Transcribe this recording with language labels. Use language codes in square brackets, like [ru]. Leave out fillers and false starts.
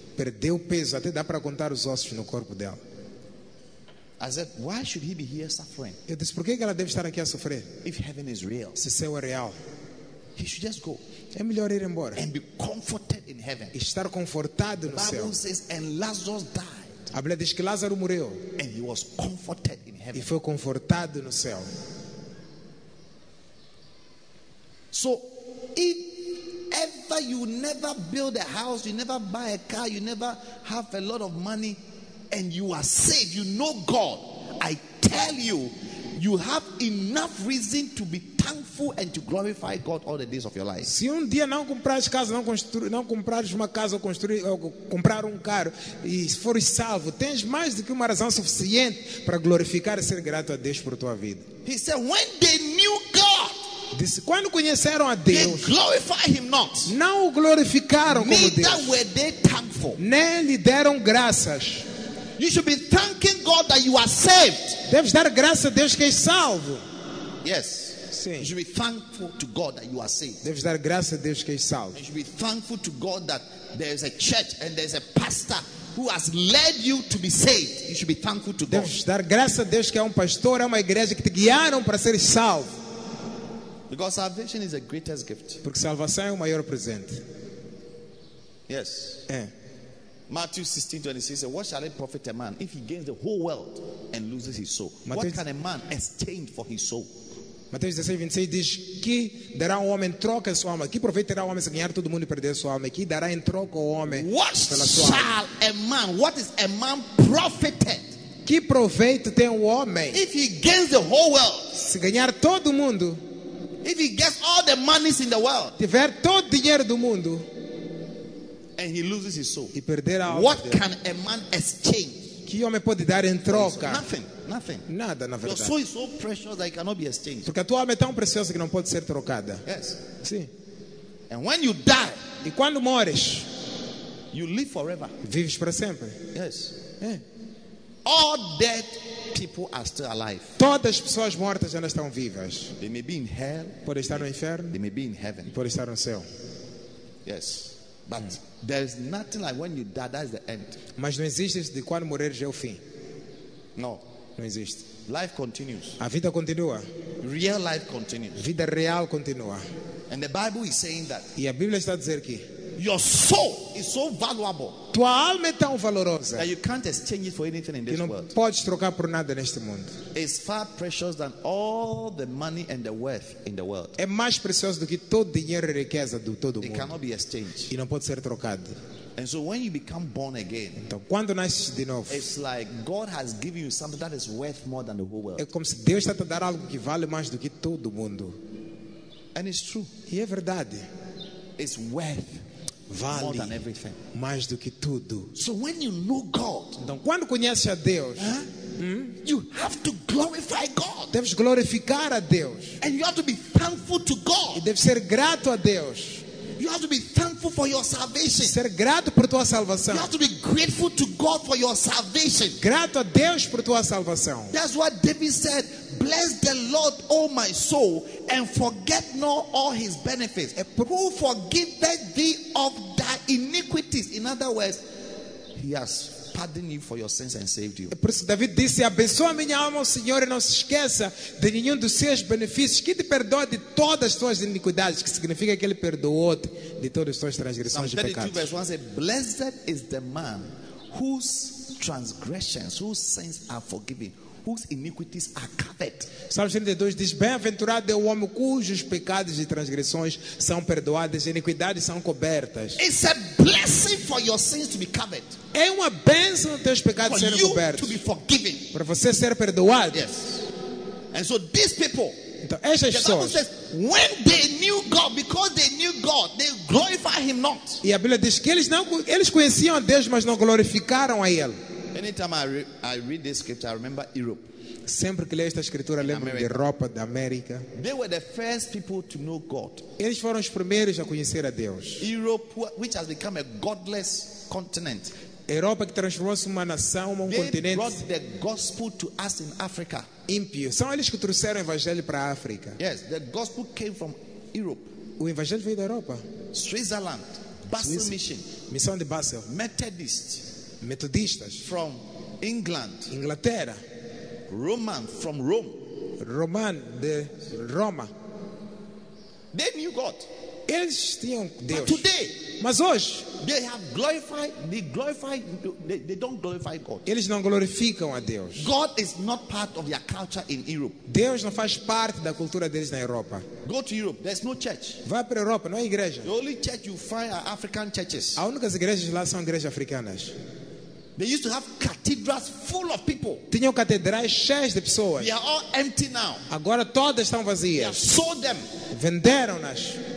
[pt] Perdeu peso até dá para contar os ossos no corpo dela. [en] I said, why should he be here suffering? [pt] Eu disse, por que ela deve estar aqui a sofrer? [en] If heaven is real. [pt] Se céu é real. [en] He should just go. [pt] É melhor ir embora. [en] And be comforted in heaven. [pt] E estar confortado [en] the [pt] no céu. [en] The Bible says, and Lazarus died. [pt] A Bíblia diz que Lázaro morreu. [en] And he was comforted in heaven. [pt] E foi confortado no céu. [en] So, if ever you never build a house, you never buy a car, you never have a lot of money, and you are saved, you know God, I tell you, you have enough reason to be thankful and to glorify God all the days of your life. [pt] Se dia não comprares casa, não comprares uma casa ou comprar carro e fores salvo, tens mais do que uma razão suficiente para glorificar e ser grato a Deus por tua vida. [en] He said, when they knew God, [pt] disse, quando conheceram a Deus, [en] they glorify him not. [pt] Não o glorificaram como Deus. [en] Neither were they thankful. [pt] Nem lhe deram graças. [en] You should be thanking God that you are saved. [pt] Deves dar graça a Deus que és salvo. [en] Yes. [pt] Sim. [en] You should be thankful to God that you are saved. [pt] Deves dar graça a Deus que és salvo. [en] You should be thankful to God that there is a church and there is a pastor who has led you to be saved. You should be thankful to [pt] Deves [en] God. [pt] Deves dar graça a Deus que há pastor, há uma igreja que te guiaram para seres salvo. [en] Because salvation is the greatest gift. [pt] Porque salvação é o maior presente. [en] Yes. [pt] É. [en] Matthew 16:26 says, what shall it profit a man if he gains the whole world and loses his soul? What can a man exchange for his soul? [pt] Mateus 16:26 diz que dará um homem troca sua alma. Que proveito terá um homem se ganhar todo mundo e perder sua alma? Que dará em troca o homem pela sua [en] shall [pt] alma? [en] A man, what is a man profited? [pt] Que proveito tem o homem? [en] If he gains the whole world, [pt] se ganhar todo mundo. [en] If he gets all the monies in the world, [pt] tiver todo o dinheiro do mundo. [en] And he loses his soul. [pt] E perder a alma. [en] What can a man exchange? [pt] Que homem pode dar em troca? [en] Nothing, nothing. [pt] Nada, na verdade. [en] Your soul is so precious that it cannot be exchanged. [pt] Porque a tua alma é tão preciosa que não pode ser trocada. [en] Yes. [pt] Sim. [en] And when you die, [pt] e quando morres, [en] you live forever. [pt] Vives para sempre. [en] Yes. [pt] É. [en] All dead people are still alive. [pt] Todas as pessoas mortas ainda estão vivas. [en] They may be in hell. [pt] Podem estar no inferno. [en] They may be in heaven. [pt] Podem estar no céu. [en] Yes. But there is nothing like when you die, that's the end. [pt] Mas não existe de quando morrer já é o fim. [en] No. [pt] Não existe. [en] Life continues. [pt] A vida continua. [en] Real life continues. [pt] Vida real continua. [en] And the Bible is saying that. [pt] E a Bíblia está a dizer que [en] your soul is so valuable. [pt] Tua alma é tão valorosa. [en] That you can't exchange it for anything in this world. [pt] Que não podes trocar por nada neste mundo. [en] It's far precious than all the money and the wealth in the world. [pt] É mais precioso do que todo dinheiro e riqueza do todo [en] it [pt] mundo. [en] It cannot be exchanged. [pt] E não pode ser trocado. [en] And so when you become born again, [pt] então, quando nasces de novo, [en] it's like God has given you something that is worth more than the whole world. [pt] É como se Deus está a dar algo que vale mais do que todo mundo. [en] And it's true. [pt] E é verdade. [en] It's worth [pt] vale [en] more than everything. [pt] Mais do que tudo. [en] So when you know God, [pt] então quando conhece a Deus, [en] you have to glorify God. [pt] Deves glorificar a Deus. [en] And you have to be thankful to God. [pt] E deves ser grato a Deus. [en] You have to be thankful for your salvation. [pt] Ser grato por tua salvação. [en] You have to be grateful to God for your salvation. [pt] Grato a Deus por tua salvação. [en] That's what David said. Bless the Lord, O my soul, and forget not all his benefits. Who forgiveth thee of thy iniquities? In other words, he has pardoned you for your sins and saved you. [pt] Por isso David disse: abençoa minha alma, o Senhor, e não se esqueça de nenhum dos seus benefícios, que te perdoa de todas as tuas iniquidades, que significa que ele perdoou-te de todas as tuas transgressões e pecados. [en] Verse 1 says, blessed is the man whose transgressions, whose sins are forgiven, whose iniquities are covered. [pt] Salmo 32 diz: bem-aventurado é o homem cujos pecados e transgressões são perdoadas, iniquidades são cobertas. [en] It's a blessing for your sins to be covered. [pt] É uma bênção teus pecados [en] for [pt] serem cobertos. [en] To be forgiven. [pt] Para você ser perdoado. [en] Yes. And so these people, [pt] então essas pessoas, [en] says, when they knew God, because they knew God, they glorified him not. [pt] E a Bíblia diz que eles conheciam a Deus, mas não glorificaram a ele. [en] Anytime I read this scripture, I remember Europe. [pt] Sempre que leio esta escritura, lembro-me da Europa, da América. [en] They were the first people to know God. [pt] Eles foram os primeiros a conhecer a Deus. [en] Europe, which has become a godless continent. [pt] Europa que transformou-se numa nação, um continente. [en] They brought the gospel to us in Africa. [pt] Ímpio. São eles que trouxeram o evangelho para a África. [en] Yes, the gospel came from Europe. [pt] O evangelho veio da Europa. [en] Switzerland, Basel Swiss. Mission. [pt] Missão de Basel. [en] Methodistas. From England. [pt] Inglaterra. [en] Roman from Rome. [pt] Roman de Roma. [en] They knew God. [pt] Eles tinham Deus. [en] But today, [pt] mas hoje, [en] they have glorified. They don't glorify God. [pt] Eles não glorificam a Deus. [en] God is not part of their culture in Europe. [pt] Deus não faz parte da cultura deles na Europa. [en] Go to Europe. There's no church. [pt] Vai para a Europa, não há igreja. [en] The only church you find are African churches. [pt] As únicas igrejas lá são igrejas africanas. [en] They used to have cathedrals full of people. [pt] Tinham catedrais cheias de pessoas. [en] They are all empty now. [pt] Agora todas estão vazias. [en] They have sold them. [pt] Venderam-nas.